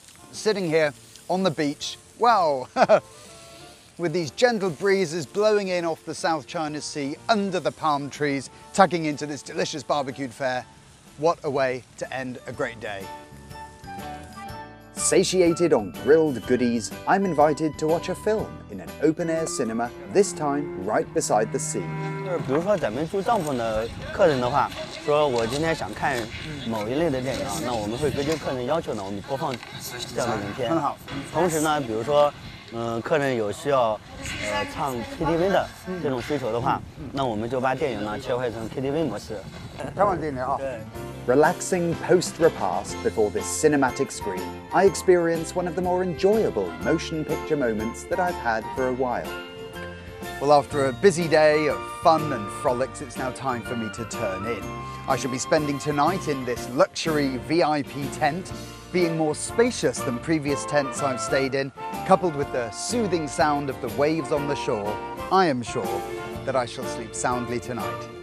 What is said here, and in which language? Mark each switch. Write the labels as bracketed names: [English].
[English] Sitting here on the beach, wow, with these gentle breezes blowing in off the South China Sea under the palm trees, tucking into this delicious barbecued fare, what a way to end a great day. Satiated on grilled goodies, I'm invited to watch a film in an open-air cinema, this time right beside the sea. [Chinese] 比如说咱们住帐篷的客人的话，说我今天想看某一类的电影，那我们会根据客人要求呢，我们播放这样的影片。很好。同时呢，比如说，客人有需要唱 KTV 的这种需求的话，那我们就把电影呢切换成 KTV 模式。开放电影啊。 [English] Relaxing post-repast before this cinematic screen, I experience one of the more enjoyable motion picture moments that I've had for a while. Well, after a busy day of fun and frolics, it's now time for me to turn in. I shall be spending tonight in this luxury VIP tent, being more spacious than previous tents I've stayed in, coupled with the soothing sound of the waves on the shore, I am sure that I shall sleep soundly tonight.